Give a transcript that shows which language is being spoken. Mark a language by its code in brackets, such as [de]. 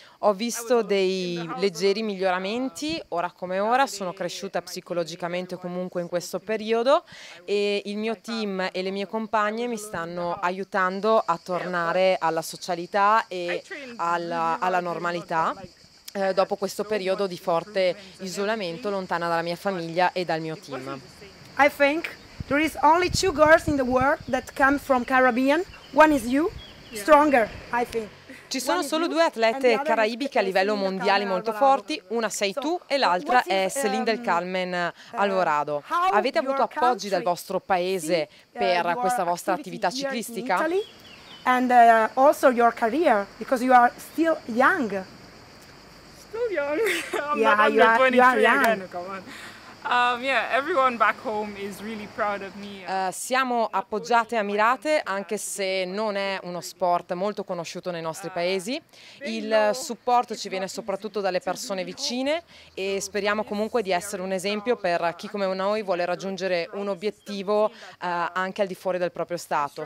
[it] Ho visto dei leggeri miglioramenti, ora come ora sono cresciuta psicologicamente comunque in questo periodo, e il mio team e le mie compagne mi stanno aiutando a tornare alla socialità e alla normalità dopo questo periodo di forte isolamento, lontana dalla mia famiglia e dal mio team. [en] I think there is only 2 girls in the world that come from Caribbean. One is you, stronger, I think. [it] Ci sono solo 2 atlete caraibiche a livello mondiale molto forti, una sei tu e l'altra è Celine del Carmen Alvarado. Avete avuto appoggi dal vostro paese per questa vostra attività ciclistica? [en] And also your career, because you are still young. Still young. I'm not under 23 again, come on. Everyone back home is really proud of me. [it] Siamo appoggiate e ammirate, anche se non è uno sport molto conosciuto nei nostri paesi. Il supporto ci viene soprattutto dalle persone vicine e speriamo comunque di essere un esempio per chi come noi vuole raggiungere un obiettivo anche al di fuori del proprio stato.